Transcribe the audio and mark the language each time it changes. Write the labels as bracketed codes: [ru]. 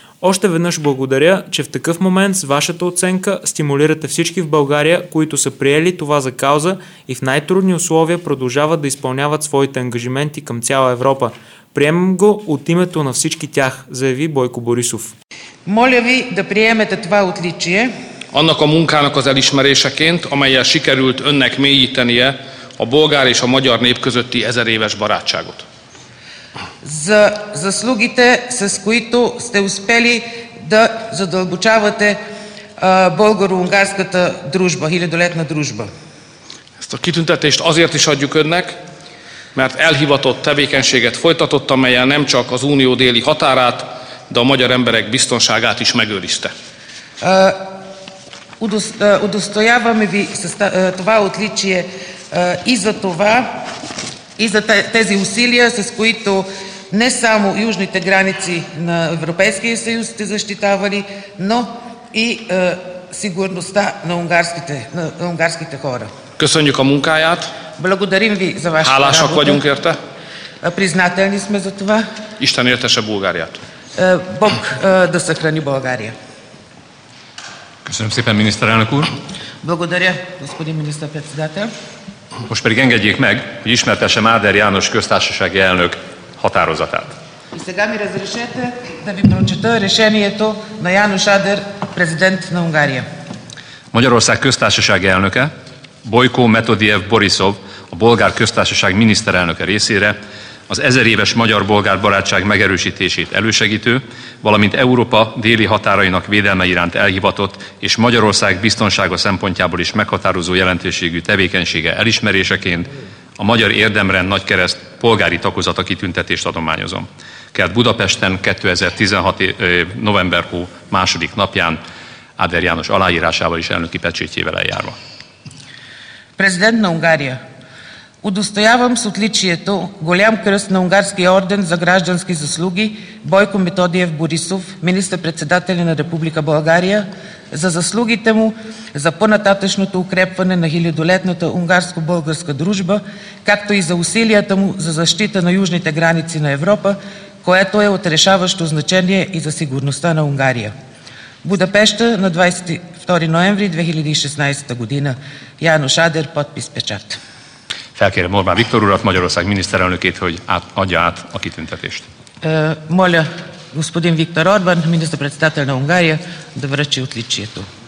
[bg] Още веднъж благодаря, че в такъв момент с вашата оценка стимулирате всички в България, които са приели това за кауза и в най-трудни условия продължават да изпълняват своите ангажименти към цяла Европа. Приемам го от името на всички тях, заяви Бойко Борисов. Моля ви да приемете това отличие. [hu] Annak a munkának az elismeréseként, amellyel sikerült önnek mélyítenie a bolgár és a magyar nép közötti ezer éves barátságot. [bg] За заслугите, с които сте успели да задълбочавате българо-унгарската дружба, хилядолетна дружба. [hu] Ezt a kitüntetést azért is adjuk önnek, mert elhivatott tevékenységet folytatott, amelyel nem csak az unió déli határát, de a magyar emberek biztonságát is megőrizte. [bg] Удостояваме ви с това отличие и за това, и за тези усилия, с които не само южните граници на Европейския съюз сте защитавали, но и сигурността на унгарските хора. [hu] Köszönjük a munkáját. [bg] Благодарим ви за вашата работа. [hu] Hálásak vagyunk érte. [bg] Признателни сме за това. [hu] Isten éltesse Bulgáriát. [bg] Бог да съхрани България. [hu] Köszönöm szépen, miniszterelnök úr. [bg] Благодаря, господин министър-председател. [hu] Most pedig engedjék meg, hogy ismertessem Áder János köztársasági elnök határozatát. [bg] И сега ми разрешете да ви прочета решението на János Áder, президент на Унгария. [hu] Magyarország köztársasági elnöke Bojko Metodiev Borisov, a bolgár köztársaság miniszterelnöke részére az ezer éves magyar-bolgár barátság megerősítését elősegítő, valamint Európa déli határainak védelme iránt elhivatott és Magyarország biztonsága szempontjából is meghatározó jelentőségű tevékenysége elismeréseként a Magyar Érdemrend Nagykereszt polgári tagozata kitüntetést adományozom. Kelt Budapesten 2016. november hó második napján Áder János aláírásával és elnöki pecsétjével eljárva. [bg] Президент на Унгария. Удостоявам с отличието голям кръст на унгарския орден за граждански заслуги Бойко Методиев Борисов, министър-председателя на Република България, за заслугите му за по-нататъчното укрепване на хилядолетната унгарско-българска дружба, както и за усилията му за защита на южните граници на Европа, което е от решаващо значение и за сигурността на Унгария. Будапеща на 22 ноември 2016 година. János Áder, подпис, печат. [hu] Felkérem Orbán Viktor urat, Magyarország miniszterelnökét, hogy adja át a kitüntetést. [bg] Molja господин Виктор Орбан, министър-председател на Унгария, да връчи отличието.